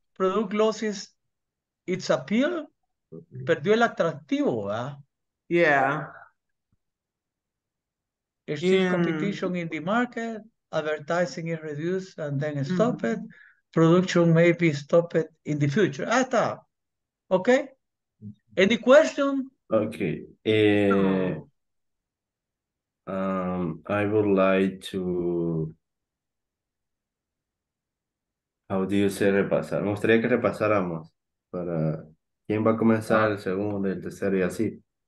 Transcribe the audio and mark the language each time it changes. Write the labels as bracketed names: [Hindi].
[English] Product losses, its appeal, [Spanish] perdió el atractivo, ¿verdad? [English] Yeah. There's still competition in the market, advertising is reduced and then stop it. Production may be stopped in the future. [Spanish] Ah, está. [English] Okay. Any question? Okay, I would like to, how do you say repasar? [Spanish] Me gustaría que repasáramos para quién va a comenzar el segundo, el tercero y así.